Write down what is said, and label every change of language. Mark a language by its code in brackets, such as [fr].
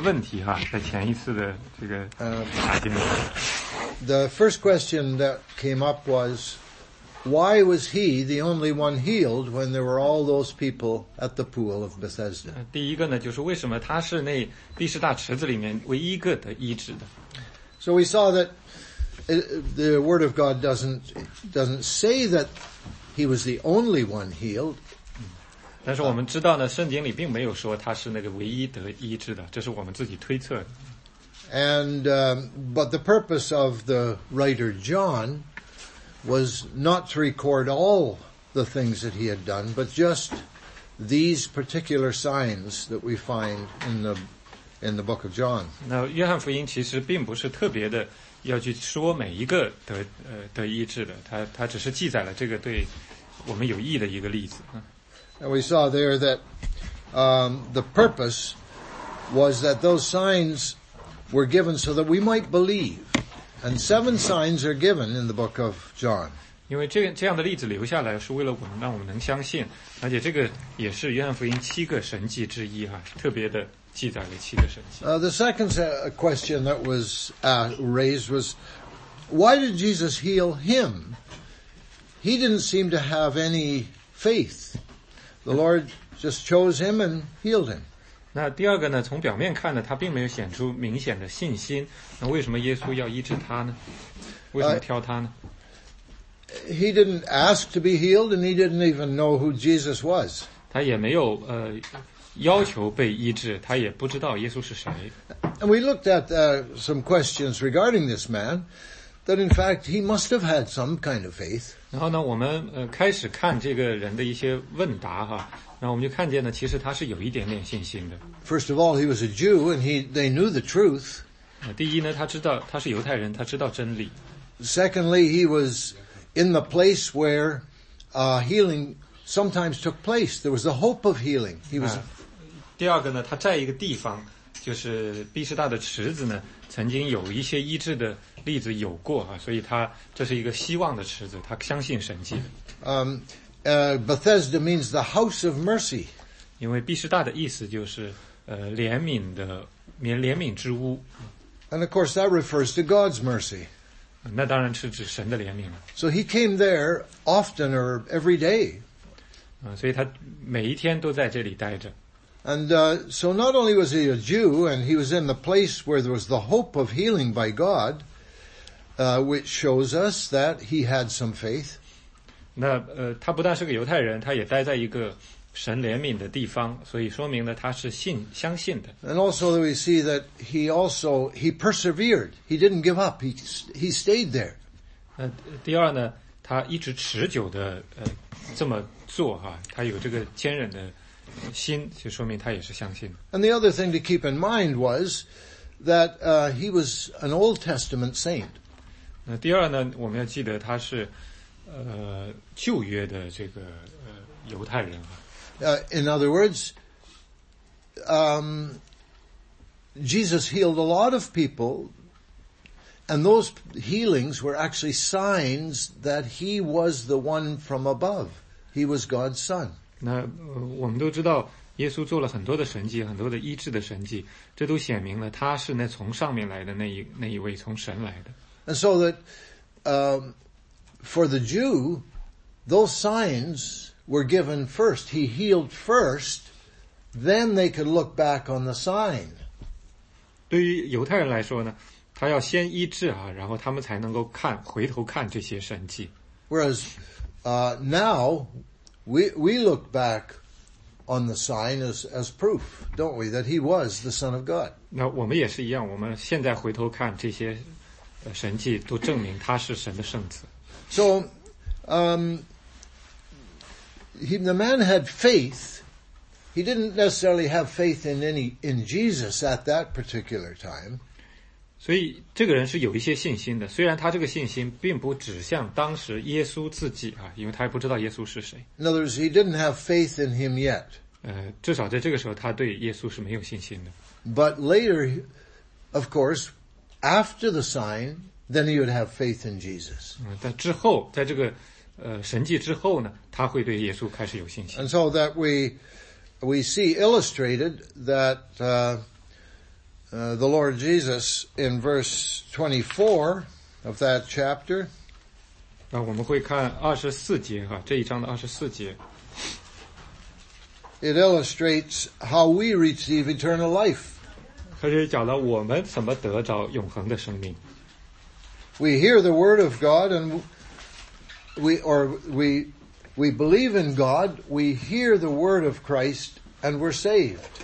[zh] 问题哈，在前一次的这个查经里。 [en] The first question that came up was, why was he the only one healed when there were all those people at the pool of Bethesda? [zh] 第一个呢，就是为什么他是那第十大池子里面唯一个得医治的。 [en] So we saw that the word of God doesn't say that he was the only one healed. [zh] 但是我们知道呢，圣经里并没有说他是那个唯一得医治的，这是我们自己推测的。 [en] And, but the purpose of the writer John was not to record all the things that he had done, but just these particular signs that we find in the book of John. [zh] 那约翰福音其实并不是特别的要去说每一个得医治的，他只是记载了这个对我们有益的一个例子。 [en] And we saw there that, the purpose was that those signs were given so that we might believe. And seven signs are given in the book of John. [zh] 因为这样的例子留下来是为了我们让我们能相信，而且这个也是约翰福音七个神迹之一啊，特别的记载了七个神迹。 [en] The second question that was raised was, why did Jesus heal him? He didn't seem to have any faith. The Lord just chose him and healed him. [zh] 那第二个呢，从表面看呢，他并没有显出明显的信心。那为什么耶稣要医治他呢？为什么挑他呢？ [en] He didn't ask to be healed and he didn't even know who Jesus was. [zh] 他也没有要求被医治，他也不知道耶稣是谁。 [en] And we looked at some questions regarding this man, that in fact he must have had some kind of faith. [zh] 然后呢，我们开始看这个人的一些问答哈。那我们就看见呢，其实他是有一点点信心的。 [en] First of all, he was a Jew, and they knew the truth. [zh] 第一呢，他知道他是犹太人，他知道真理。 [en] Secondly, he was in the place where healing sometimes took place. There was the hope of healing. He was. [zh] 第二个呢，他在一个地方，就是毕士大的池子呢，曾经有一些医治的例子有过啊，所以他这是一个希望的池子，他相信神迹。 [en] Bethesda means the house of mercy. [zh] 因为毕士大的意思就是怜悯之屋。 [en] And of course that refers to God's mercy. [zh] 那当然是指神的怜悯。 [en] So he came there often or every day. [zh] 所以他每一天都在这里待着。 [en] And so not only was he a Jew and he was in the place where there was the hope of healing by God, which shows us that he had some faith. [zh] 那他不但是个犹太人，他也待在一个神怜悯的地方，所以说明呢他是相信的。 [en] And also we see that he persevered. He didn't give up. He stayed there. [zh] 第二呢，他一直持久的这么做哈，他有这个坚忍的心，就说明他也是相信的。 [en] And the other thing to keep in mind was that he was an Old Testament saint. [zh] 那第二呢，我们要记得他是旧约的这个犹太人啊。 [en] In other words, Jesus healed a lot of people, and those healings were actually signs that he was the one from above. He was God's son. [zh] 那我们都知道，耶稣做了很多的神迹，很多的医治的神迹，这都显明了他是那从上面来的那一位，从神来的。 [en] And so that, For the Jew, those signs were given first. He healed first, then they could look back on the sign. [zh] 对于犹太人来说呢，他要先医治啊，然后他们才能够看，回头看这些神迹。 [en] Whereas, now, we look back on the sign as proof, don't we, that he was the Son of God. [zh] 那我们也是一样，我们现在回头看这些神迹，都证明他是神的圣子。 [en] So, the man had faith. He didn't necessarily have faith in Jesus at that particular time. [zh] 所以这个人是有一些信心的，虽然他这个信心并不指向当时耶稣自己啊，因为他还不知道耶稣是谁。 [en] In other words, he didn't have faith in him yet. [zh] 至少在这个时候，他对耶稣是没有信心的。 [en] But later, of course, after the sign,then he would have faith in Jesus. [zh] 但之后，在这个神迹之后呢，他会对耶稣开始有信心。 [en] And so that we see illustrated that the Lord Jesus in verse 24 of that chapter. [zh] 我们会看24节哈，这一章的24节。 [en] It illustrates how we receive eternal life. [zh] 它是讲了我们怎么得着永恒的生命。 [en] We hear the word of God and we believe in God, we hear the word of Christ and we're saved.